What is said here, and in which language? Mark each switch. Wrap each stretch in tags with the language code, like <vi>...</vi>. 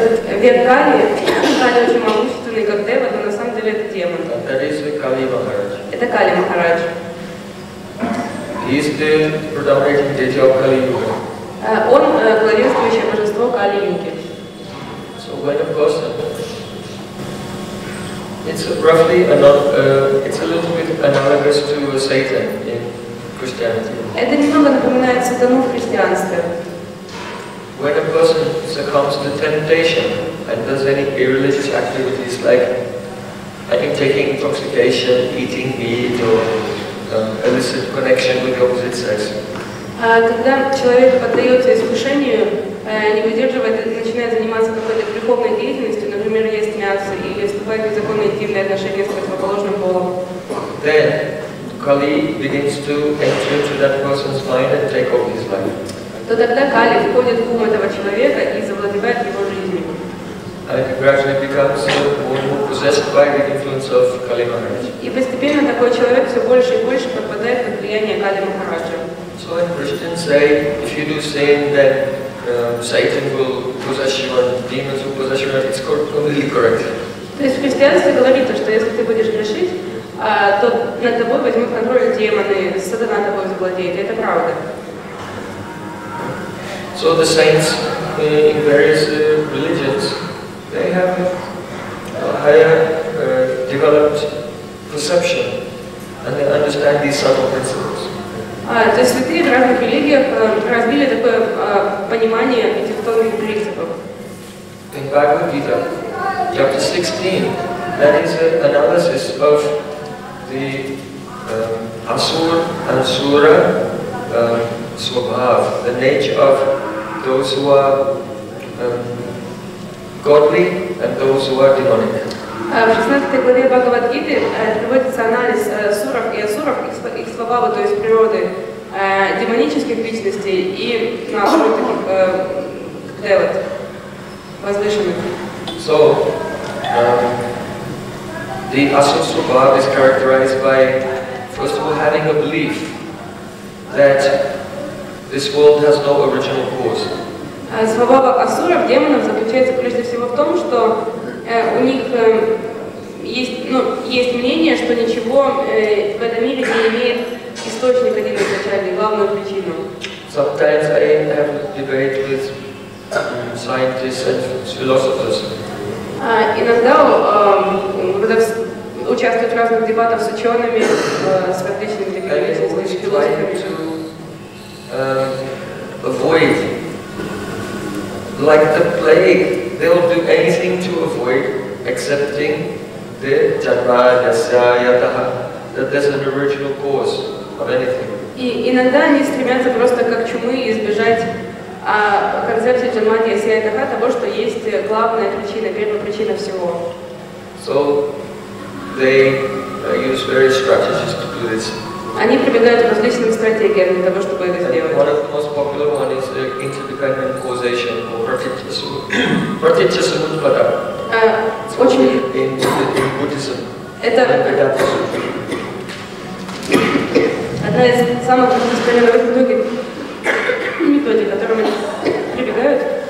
<ru>В век Кали, Кали очень могущественный, как Дева, но на самом деле это демон.</ru> <en>That is Kali Maharaj.</en> <ru>Это Кали Махарадж.</ru> <en>He is the predominating deity of Kali Yuga.</en> <ru>Он главенствующее божество Кали Юги.</ru> <en>So when a person It's roughly it's a little bit analogous to Satan in Christianity.</en> <ru>Это немного напоминает сатану в христианстве.</ru> <en>When a person succumbs to temptation and does any irreligious activities like taking intoxication, eating meat, or illicit connection with opposite sex.</en> <ru>Когда человек поддается искушению, не выдерживает и начинает заниматься какой-то греховной деятельностью, например, есть мясо или вступает в незаконные интимные отношения с противоположным полом.</ru> <en>Then Kali begins to enter into that person's mind and take over his life.</en> <ru>То тогда Кали входит в ум этого человека и завладевает его жизнью.</ru> <en>And he gradually becomes more possessed by the influence of Kali Maharaj.</en> <ru>И постепенно такой человек все больше и больше попадает под влияние Кали Махараджа.</ru> <en>So when Christians say, if you do sin, then Satan will possess you and demons will possess you, it's completely correct.</en> <ru>То есть в христианстве говорится, что если ты будешь грешить, то над тобой возьмут контроль демоны, сатана тобой завладеет. Это правда.</ru> <en>So the saints in various religions, they have a higher developed perception and they understand these subtle principles.</en> <ru>То есть святые в разных религиях развили такое понимание этих тонких принципов.</ru> <en>In Bhagavad Gita, chapter 16, that is an analysis of the asura and sura swabhava, the nature of those who are godly and those who are demonic.</en> <ru>В 16 главе Бхагавад Гиты проводится анализ суров и асуров, их свабавы, то есть природы, демонических личностей и асуров таких девот, возвышенных.</ru> <en>So, the asur svabhava is characterized by, first of all, having a belief that this world has no original cause.</en> <ru>Свабава асуров, демонов, заключается прежде всего в том, что у них есть мнение, что ничего в этом мире не имеет источник один изначальный, главную причину.</ru> <en>Sometimes I have a debate with scientists and philosophers.</en> <ru>Иногда участвуют в разных дебатах с учеными, с различными такими философами.</ru> <en>Like the plague, they'll do anything to avoid accepting the jatva, yasya, yataha, that there's an original cause of anything.</en> <ru>И иногда они стремятся просто как чумы избежать концепции джатва, яса, ятаха, того, что есть главная причина, первая причина всего.</ru> <en>So they use various strategies to do this.</en> <ru>Они прибегают к различным стратегиям для того, чтобы это сделать.</ru> <en>One of the most popular ones is interdependent causation or pratityasamutpada.</en> <ru>Очень</ru> <en>in Buddhism.</en> <ru>Это одна из самых распространенных методик, которым они прибегают.</ru>